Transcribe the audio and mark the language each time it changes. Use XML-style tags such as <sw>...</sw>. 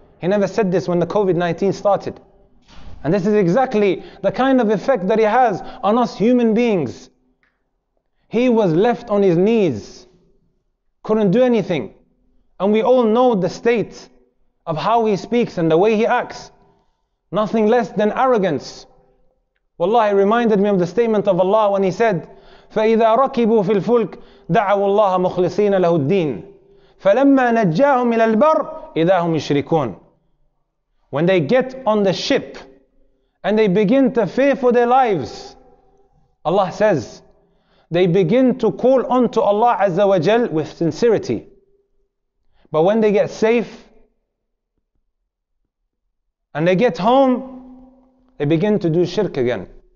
<en>He never said this when the COVID-19 started. And this is exactly the kind of effect that it has on us human beings. He was left on his knees, couldn't do anything. And we all know the state of how he speaks and the way he acts. Nothing less than arrogance. Wallahi, it reminded me of the statement of Allah when he said,</en> <ar>فَإِذَا رَكِبُوا فِي الْفُلْكِ دَعَوُوا اللَّهَ مُخْلِصِينَ لَهُ الدِّينِ فَلَمَّا نَجَّاهُمْ إِلَى الْبَرِّ إِذَا هُمْ يُشْرِكُونَ.</ar> <en>When they get on the ship and they begin to fear for their lives, Allah says, they begin to call unto Allah Azza wa Jal with sincerity. But when they get safe and they get home, they begin to do shirk again.</en>